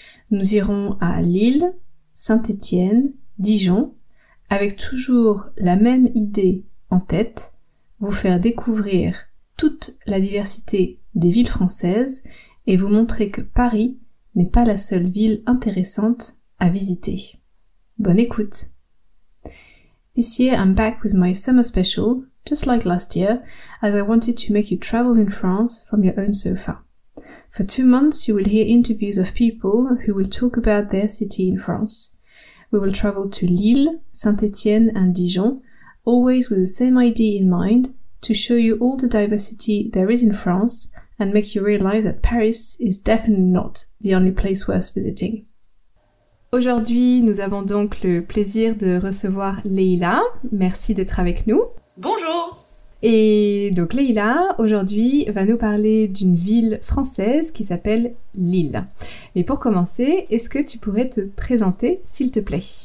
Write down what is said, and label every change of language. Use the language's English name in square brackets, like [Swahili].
[French] Nous irons à Lille, Saint-Étienne, Dijon, avec toujours la même idée en tête, vous faire découvrir toute la diversité des villes françaises et vous montrer que Paris n'est pas la seule ville intéressante à visiter. Bonne écoute! [English] This year I'm back with my summer special, just like last year, as I wanted to make you travel in France from your own sofa. For 2 months you will hear interviews of people who will talk about their city in France. We will travel to Lille, Saint-Étienne and Dijon, always with the same idea in mind, to show you all the diversity there is in France and make you realize that Paris is definitely not the only place worth visiting. [French] Aujourd'hui, nous avons donc le plaisir de recevoir Leïla. Merci d'être avec nous. Bonjour. Et donc Leïla, aujourd'hui, va nous parler d'une ville française qui s'appelle Lille. Et pour commencer, est-ce que tu pourrais te présenter, s'il te plaît?